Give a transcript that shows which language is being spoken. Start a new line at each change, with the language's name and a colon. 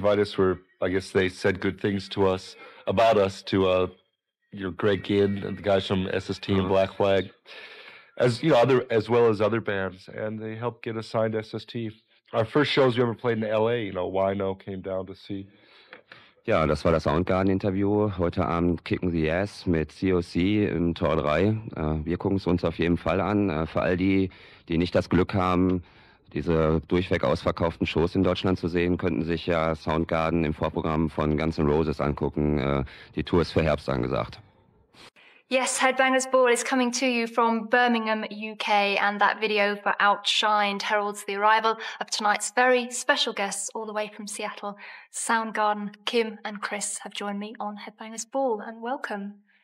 English: Vitus were, I guess they said good things to us, about us, to Greg Ginn and the guys from SST and Black Flag, as well as other bands. And they helped get us signed to SST. Our first shows we ever played in L.A., you know, Wino came down to see.
German: Ja, das war das Soundgarden-Interview. Heute Abend kicken sie Ass mit COC im Tor 3. Wir gucken es uns auf jeden Fall an. Für all die, die nicht das Glück haben, diese durchweg ausverkauften Shows in Deutschland zu sehen, könnten sich ja Soundgarden im Vorprogramm von Guns N' Roses angucken. Die Tour ist für Herbst angesagt.
English: Yes, Headbangers Ball is coming to you from Birmingham, UK, and that video for Outshined heralds the arrival of tonight's very special guests all the way from Seattle. Soundgarden, Kim and Chris have joined me on Headbangers Ball, and welcome.